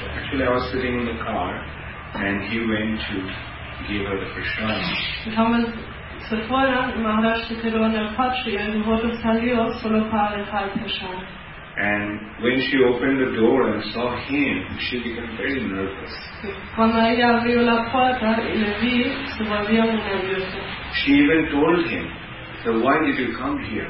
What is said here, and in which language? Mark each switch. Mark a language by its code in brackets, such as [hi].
[en] Actually, I was sitting in the car, and he went to give her the prasad. [es] Thomas se fueron, Maharaj se quedó en el coche, y el devoto salió solo para dejar el prasad. [en] And when she opened the door and saw him, she became very nervous. [es] Cuando ella abrió la puerta y le vi, se volvió muy nerviosa. [en] She even told him, "So why did you come here?